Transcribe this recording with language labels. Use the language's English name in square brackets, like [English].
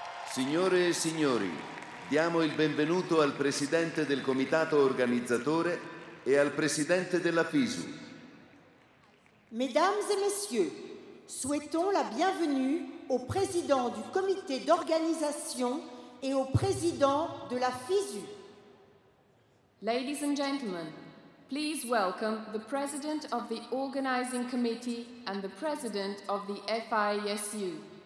[Italian] Signore e signori, diamo il benvenuto al presidente del comitato organizzatore e al presidente della FISU. [French] Mesdames et messieurs, souhaitons la bienvenue au président du comité d'organisation et au président de la FISU. [English] Ladies and gentlemen, please welcome the president of the organizing committee and the president of the FISU.